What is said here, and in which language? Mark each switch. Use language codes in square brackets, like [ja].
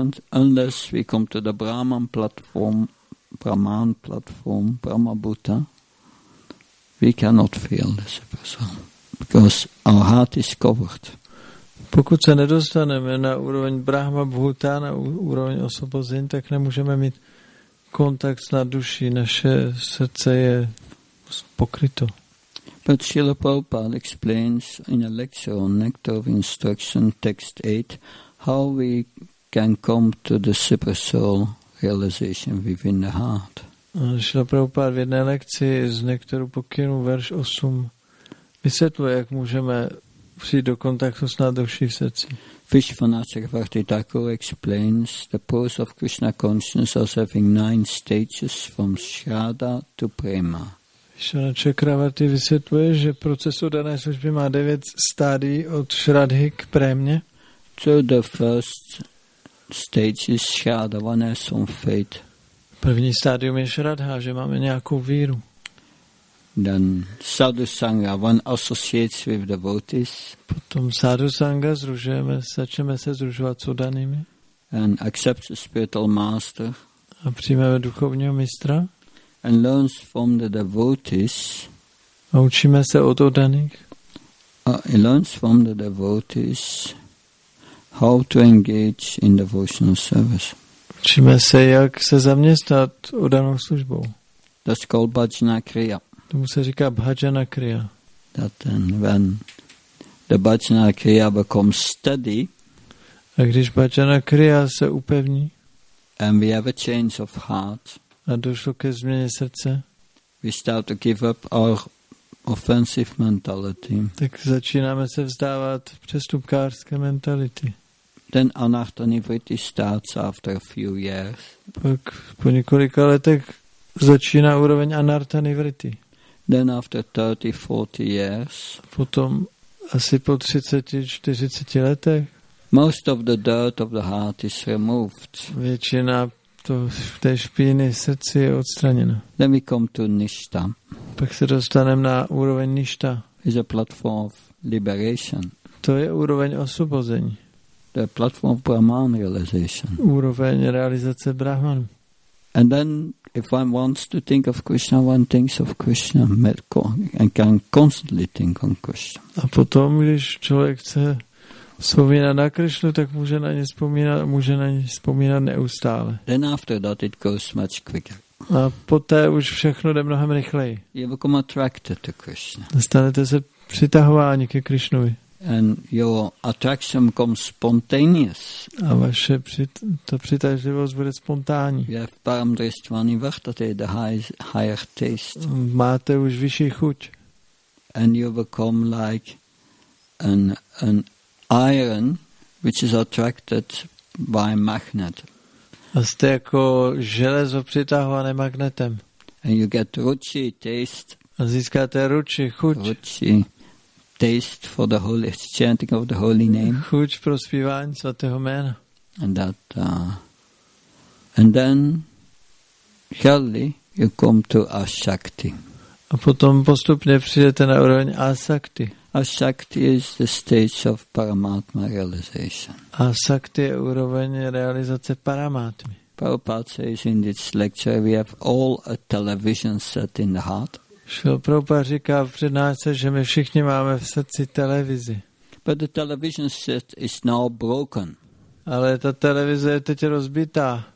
[en] Unless we come to the Brahman platform, Brahman platform, Brahma Buddha, we cannot feel the super soul, because our heart is covered. [cs] Pokud se nedostaneme na úroveň Brahma Buddha, na úroveň osvobození, tak nemůžeme mít kontakt na duši, naše srdce je pokryto. [en] But Srila Prabhupada explains in a lecture on Nectar of Instruction, text 8, how we can come to the super soul realization within the heart. [cs] Srila Prabhupada v jedné lekci z Nektaru pokynu, verš 8, vysvětluje, jak můžeme přijít do kontaktu s nadduší v srdci. [en] Vishvanatha Bhakti Thakur explains the pose of Krishna consciousness as having 9 stages from Shraddha to Prema. [cs] Šana Čakravati vysvětluje, že proces dané služby má 9 stádií od Šradhy k prémě. [en] So the first stage is Shraddha, one has some faith. [cs] První stádium je Šradha, že máme nějakou víru. [en] Then Sadhu Sangha, one associates with devotees. [cs] Potom Sadhu Sangha, združujeme, začneme se združovat s udanými. [en] And accepts a spiritual master. [cs] A přijmeme duchovního mistra. [en] And learns from the devotees. [cs] A učíme se od oddaných. [en] He learns from the devotees how to engage in devotional service. [cs] Učíme se, jak se zaměstnat oddanou službou. [en] That's called bhajana kriya. [cs] Tomu se říká bhajana kriya. [en] That when the bhajana kriya becomes steady, [cs] a když bhajana kriya se upevní, [en] and we have a change of heart, [cs] a došlo ke změně srdce, [en] we start to give up our offensive mentality. [cs] Tak začínáme se vzdávat přestupkářské mentality. [en] Then anartha nivritti starts after a few years. [cs] Pak po několika letech začíná úroveň anartha nivritti. [en] Then after 30, 40 years. [cs] Potom asi po 30, 40 letech. [en] Most of the dirt of the heart is removed. [cs] Většina to v té špíny srdce je odstraněna. [en] Then we come to nishta. [cs] Pak se dostaneme na úroveň nishta. [en] It's a platform of liberation. [cs] To je úroveň osvobození. [en] The platform of Brahman realization. [cs] Úroveň realizace Brahmanu. [en] And then if one wants to think of Krishna, one thinks of Krishna and can constantly think on Krishna. [cs] A potom, když člověk chce vzpomínat na Krishnu, tak může na ně vzpomínat neustále. [en] Then after that it goes much quicker. [cs] A poté už všechno jde mnohem rychleji. [en] You become attracted to Krishna. [cs] Stanete se přitahováni ke Krishnovi. [en] And your attraction comes spontaneous. [cs] A vaše ta přitažlivost bude spontánní. [en] You have param drishtvani vartate, the higher taste. [cs] Máte už vyšší chuť. [en] And you become like an iron which is attracted by magnet. [cs] A jste jako železo přitahované magnetem. [en] And you get ruchi taste. [cs] A získáte ruchi, chuť. [en] Ruchi. Taste for the holy chanting of the holy name. [cs] Chuť pro zpívání svatého jména. [en] And that, and then, gradually you come to Ashakti. [cs] A potom postupně přijdete na úroveň Ashakti. [en] Ashakti is the stage of Paramatma realization. [cs] Ashakti je úroveň realizace Paramatmy. [en] Prabhupada says in this lecture, we have all a television set in the heart. [cs] Šil Prabhupada říká v přednášce, že my všichni máme v srdci televizi. [en] But the television set is now broken. [cs] Ale ta televize je teď rozbitá.